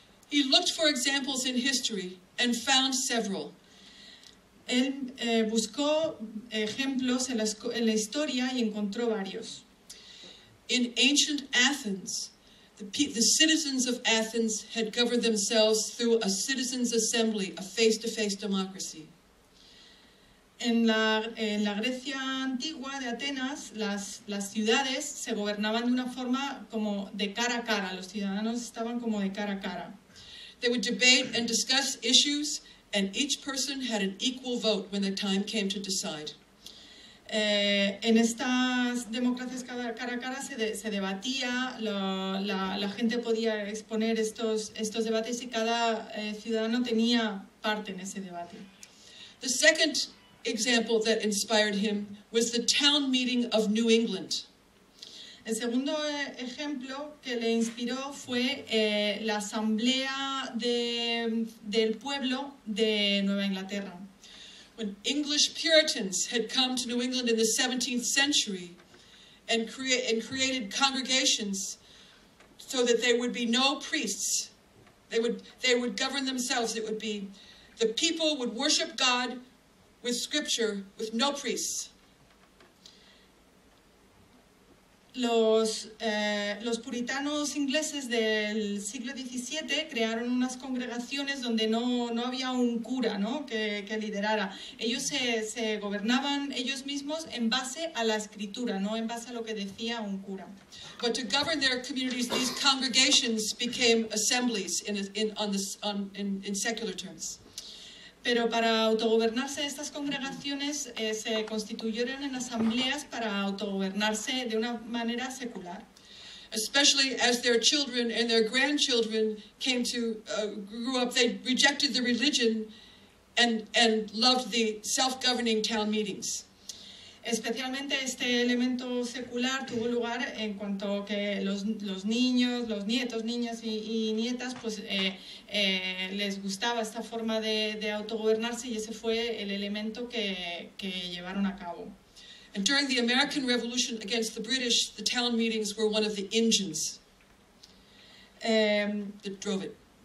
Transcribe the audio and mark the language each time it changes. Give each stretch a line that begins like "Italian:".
English: He looked for examples in history and found several.
Spanish: Él buscó ejemplos en la historia y encontró varios.
English: In ancient Athens, the citizens of Athens had governed themselves through a citizens' assembly, a face-to-face democracy.
Spanish: En la Grecia antigua de Atenas, las ciudades se gobernaban de una forma como de cara a cara. Los ciudadanos estaban como de cara a cara.
English: They would debate and discuss issues, and each person had an equal vote when the time came to decide.
Spanish: En estas democracias cara a cara se debatía, la gente podía exponer estos debates y cada ciudadano tenía parte en ese debate.
English: The second example that inspired him was the town meeting of New England.
Spanish: El segundo ejemplo que le inspiró fue la asamblea del pueblo de Nueva Inglaterra.
English: When English Puritans had come to New England in the 17th century and created congregations so that there would be no priests, they would govern themselves. It would be the people would worship God with scripture with no priests.
Spanish: Los puritanos ingleses del siglo XVII crearon unas congregaciones donde no había un cura, ¿no? que liderara. Ellos se gobernaban ellos mismos en base a la escritura, no en base a lo que decía un cura.
English: But to govern their communities, these congregations became assemblies in secular terms.
Spanish: Pero para autogobernarse, estas congregaciones se constituyeron en asambleas para autogobernarse de una manera secular.
English: Especially as their children and their grandchildren came to grew up, they rejected the religion and loved the self-governing town meetings.
Spanish: Especialmente este elemento secular tuvo lugar en cuanto que los niños, los nietos, niñas y nietas, pues les gustaba esta forma de autogobernarse y ese fue el elemento que llevaron a cabo.
English: And during the American Revolution against the British, the town meetings were one of the engines that drove it.